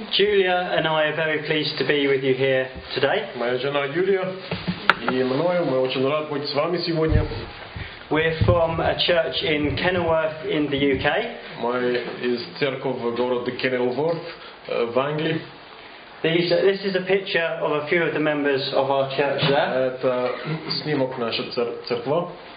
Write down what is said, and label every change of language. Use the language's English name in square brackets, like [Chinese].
[English] Julia and I are very pleased to be with you here today. [Russian] Моя жена Юлия и мною, мы очень рады быть с вами сегодня. [English] We're from a church in Kenilworth in the UK. [Russian] Мы из церкви города Kenilworth в Англии. [English] This is a picture of a few of the members of our church there. [Russian] Это снимок нашей церкви.